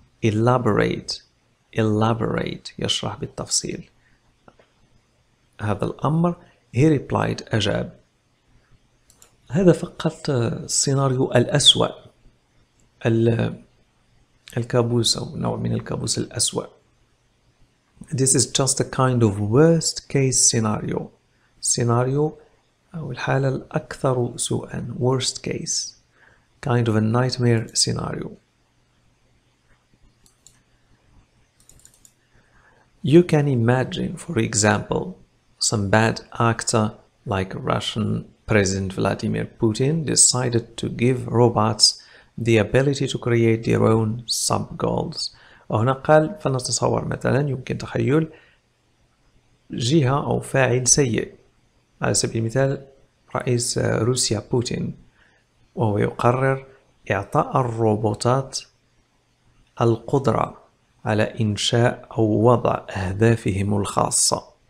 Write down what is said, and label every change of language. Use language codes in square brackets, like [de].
[en] elaborate [ar] يشرح بالتفصيل هذا الأمر. [en] he replied، [ar] أجاب. هذا فقط السيناريو الأسوأ، الكابوس، أو نوع من الكابوس الأسوأ. [en] This is just a kind of worst case scenario. [ar] سيناريو أو الحالة الأكثر سوءا. [en] Worst case. Kind of a nightmare scenario. You can imagine, for example, some bad actor like Russian President Vladimir Putin decided to give robots the ability to create their own sub-goals. [ar] وهنا قال، فلنتصور مثلا، يمكن تخيل جهة أو فاعل سيء، على سبيل المثال رئيس روسيا بوتين، وهو يقرر إعطاء الروبوتات القدرة على إنشاء أو وضع أهدافهم الخاصة.